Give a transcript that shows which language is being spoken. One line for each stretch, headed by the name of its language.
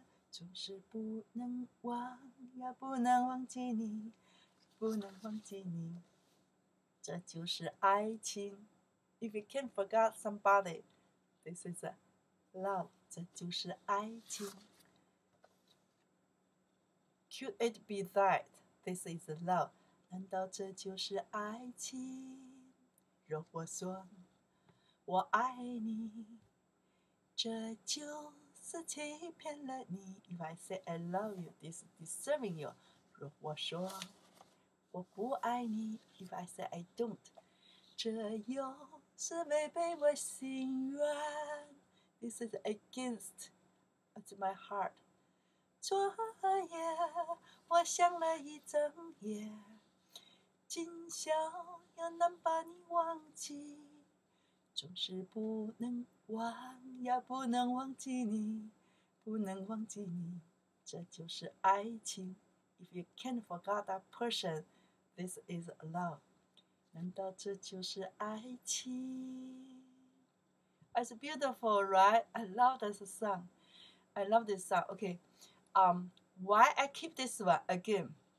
Chinese: 总是不能忘，也不能忘记你，不能忘记你，这就是爱情。
English: If you can't forget somebody, this is love.
Chinese: 这就是爱情。
English: Could it be that this is love?
Chinese: 难道这就是爱情？若我说我爱你。这就是欺骗了你。
English: If I say I love you, this is deceiving you.
Chinese: 如果说我不爱你 ，
English: If I say I don't,
Chinese: 这又是违背我心愿。
English: This is against my heart.
Chinese: 昨夜我想了一整夜，今宵又难把你忘记。总是不能忘，也不能忘记你，不能忘记你，这就是爱情。
English: If you can't forget that person, this is love.
Chinese: 难道这就是爱情？
English: It's beautiful, right? I love this song. I love this song. Okay. Why I keep this one again?